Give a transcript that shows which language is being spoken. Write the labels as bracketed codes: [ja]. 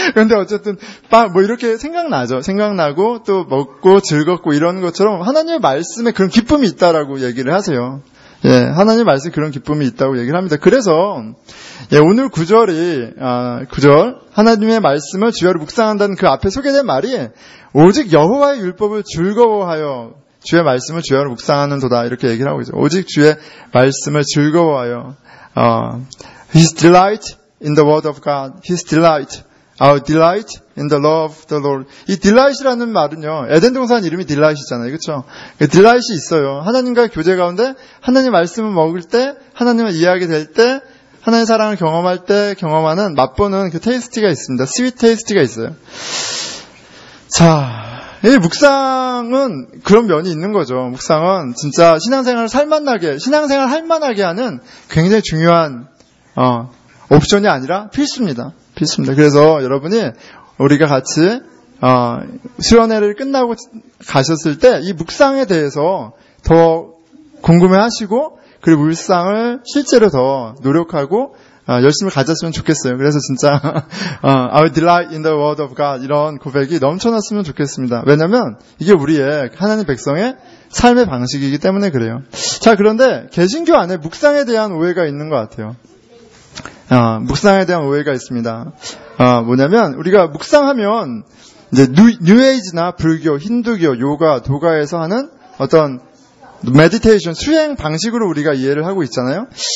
[ko] 그런데 어쨌든 빵 뭐 이렇게 생각나죠. 생각나고 또 먹고 즐겁고 이런 것처럼 하나님의 말씀에 그런 기쁨이 있다라고 얘기를 하세요. 예, 하나님 말씀 그런 기쁨이 있다고 얘기를 합니다. 그래서 예, 오늘 구절이 구절 하나님의 말씀을 주야로 묵상한다는 그 앞에 소개된 말이 오직 여호와의 율법을 즐거워하여 주의 말씀을 주야로 묵상하는도다 이렇게 얘기를 하고 있죠. 오직 주의 말씀을 즐거워하여 [en] His delight in the word of God, His delight, our delight in the law of the Lord. [ko] 이 delight이라는 말은요, 에덴 동산 이름이 delight이잖아요, 그렇죠? delight이 있어요. 하나님과의 교제 가운데 하나님 말씀을 먹을 때, 하나님을 이해하게 될 때, 하나님의 사랑을 경험할 때 경험하는 맛보는 그 테이스트가 있습니다. 스윗 테이스트가 있어요. 자, 이 묵상은 그런 면이 있는 거죠. 묵상은 진짜 신앙생활을 살맛나게, 신앙생활 할만하게 하는 굉장히 중요한 옵션이 아니라 필수입니다. 필수입니다. 그래서 여러분이 우리가 같이 수련회를 끝나고 가셨을 때 이 묵상에 대해서 더 궁금해하시고 그리고 묵상을 실제로 더 노력하고 열심히 가졌으면 좋겠어요. 그래서 진짜 [en] I delight in the word of God [ko] 이런 고백이 넘쳐났으면 좋겠습니다. 왜냐하면 이게 우리의 하나님 백성의 삶의 방식이기 때문에 그래요. 자, 그런데 개신교 안에 묵상에 대한 오해가 있는 것 같아요. 묵상에 대한 오해가 있습니다. 뭐냐면 우리가 묵상하면 이제 뉴에이지나 불교, 힌두교, 요가, 도가에서 하는 어떤 메디테이션 수행 방식으로 우리가 이해를 하고 있잖아요.